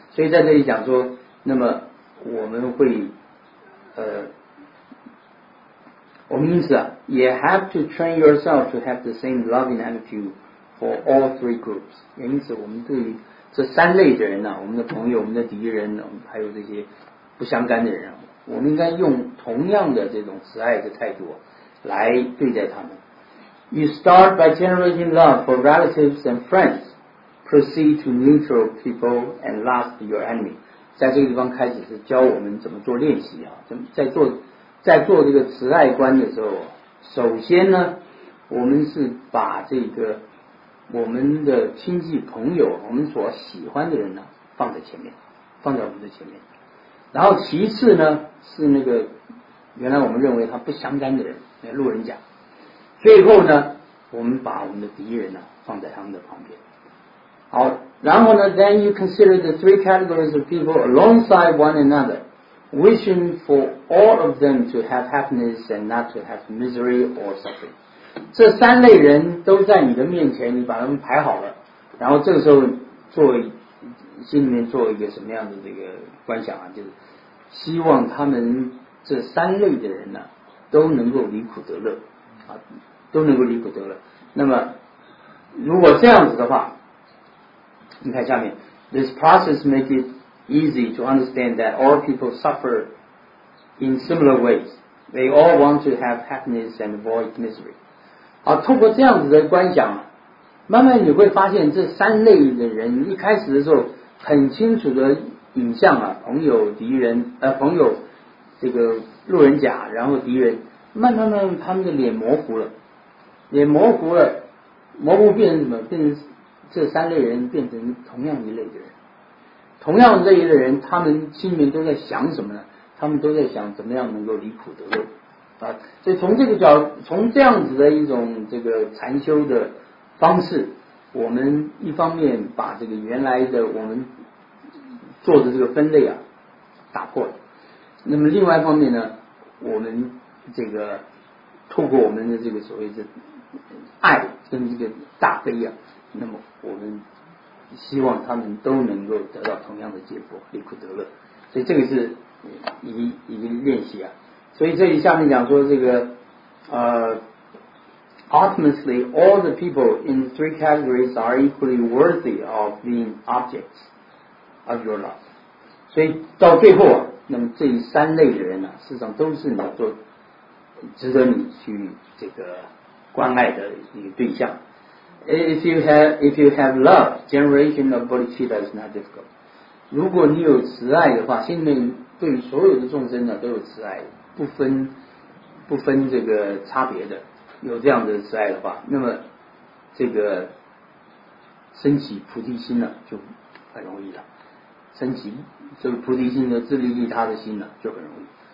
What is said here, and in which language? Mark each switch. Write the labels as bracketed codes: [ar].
[zh] 所以在这里讲说，那么我们会我们因此啊 [en] you have to train yourself to have the same loving attitude for all three groups。 [zh] 也因此我们对于这三类的人啊，我们的朋友，我们的敌人，还有这些不相干的人，我们应该用同样的这种慈爱的态度来对待他们。 [en] You start by generating love for relatives and friends, proceed to neutral people, and last your enemy。 [zh] 在这个地方开始是教我们怎么做练习啊，在做这个慈爱观的时候，首先呢，我们是把这个我们的亲戚朋友，我们所喜欢的人呢，放在前面，放在我们的前面。然后其次呢，是那个原来我们认为他不相干的人，那路人甲。最后呢，我们把我们的敌人呢放在他们的旁边。好，然后呢 [en] ，then you consider the three categories of people alongside one another, wishing for all of them to have happiness and not to have misery or suffering。 [zh] 这三类人都在你的面前，你把他们排好了，然后这个时候做心里面做一个什么样的这个观想啊，就是希望他们这三类的人呢、啊、都能够离苦得乐啊，都能够离苦得乐。那么如果这样子的话，你看下面 [en] This process make it easy to understand that all people suffer in similar ways. They all want to have happiness and avoid misery. [zh] 好、啊、通过这样子的观想，慢慢你会发现这三类的人一开始的时候很清楚的影像啊，朋友敌人朋友这个路人甲，然后敌人，慢慢他们的脸模糊了，脸模糊了，模糊变成什么？变成这三类人变成同样一类的人，同样这一类的人，他们心里面都在想什么呢？他们都在想怎么样能够离苦得乐啊。所以从这个角，从这样子的一种这个禅修的方式，我们一方面把这个原来的我们做的这个分类啊打破了，那么另外一方面呢，我们这个透过我们的这个所谓的爱跟这个大悲啊，那么我们希望他们都能够得到同样的结果，离苦得乐。所以这个是一个练习啊。所以这里下面讲说这个 [en] Ultimately, all the people in three categories are equally worthy of being objects of your love. [zh] 所以到最后，那么这三类的人呢、啊，事实上都是你做值得你去这个关爱的一个对象。 [en] If you have love, generation of bodhicitta is not difficult. [zh] 如果你有慈爱的话，心里面对所有的众生呢都有慈爱，不分这个差别的。有这样的慈爱的话，那么这个升起菩提心呢就很容易了，升起这个菩提心的自利利他的心呢就很容易。